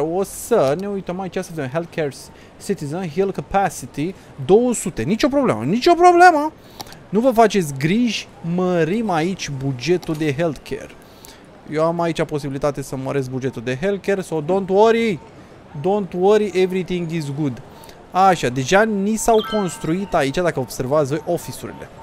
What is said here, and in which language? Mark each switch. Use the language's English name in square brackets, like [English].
[Romanian] O să ne uităm aici să vedem. Healthcare citizen, heal capacity, 200. Nicio problemă, nicio problemă. Nu vă faceți griji, mărim aici bugetul de healthcare. Eu am aici posibilitate să măresc bugetul de healthcare, [English] so don't worry. Don't worry, everything is good. [Romanian] Așa, deja ni s-au construit aici, dacă observați voi, office-urile.